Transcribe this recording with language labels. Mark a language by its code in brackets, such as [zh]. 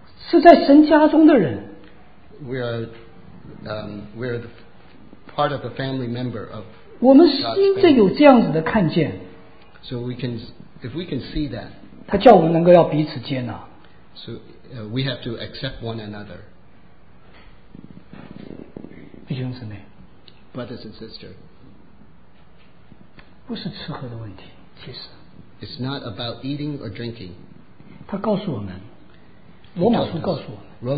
[zh] 我们是属主的。是在神家中的人。 [en] We are, we are the part of a family member of God's family. So we can, if we can see that, [zh] 他叫我们能够要彼此接纳, [en] so we have to accept one another. [zh] 弟兄姊妹, [en] brothers and sisters, [zh] 不是吃喝的问题, 其实, [en] it's not about eating or drinking. [zh] 他告诉我们, 罗马书告诉我们,